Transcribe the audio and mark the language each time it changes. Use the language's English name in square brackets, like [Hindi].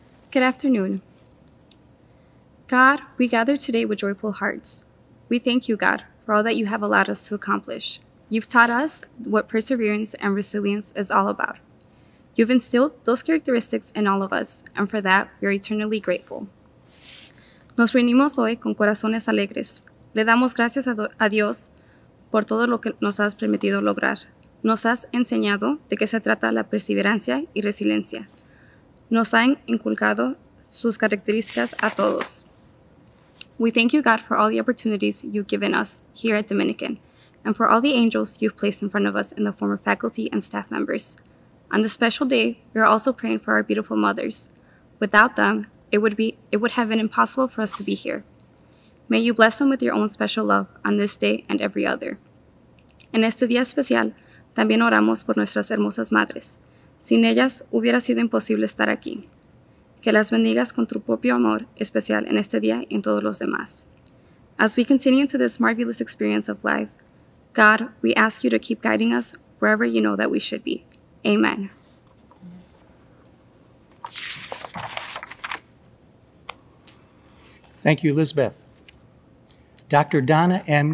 [English] Good afternoon. God, we gather today with joyful hearts. We thank you, God, for all that you have allowed us to accomplish. You've taught us what perseverance and resilience is all about. You've instilled those characteristics in all of us, and for that, we are eternally grateful. [Spanish] Nos reunimos hoy con corazones alegres. Le damos gracias a Dios por todo lo que nos has permitido lograr. Nos has enseñado de qué se trata la perseverancia y resiliencia. Nos han inculcado sus características a todos. [English] We thank you, God, for all the opportunities you've given us here at Dominican, and for all the angels you've placed in front of us in the form of faculty and staff members. On this special day, we are also praying for our beautiful mothers. Without them, it would have been impossible for us to be here. May you bless them with your own special love on this day and every other. [Spanish] En este día especial, también oramos por nuestras hermosas madres. Sin ellas, hubiera sido imposible estar aquí. Que las bendigas con tu propio amor especial en este día y en todos los demás. [English] As we continue into this marvelous experience of life, God, we ask you to keep guiding us wherever you know that we should be. Amen. Thank you, Lisbeth. Dr. Donna M.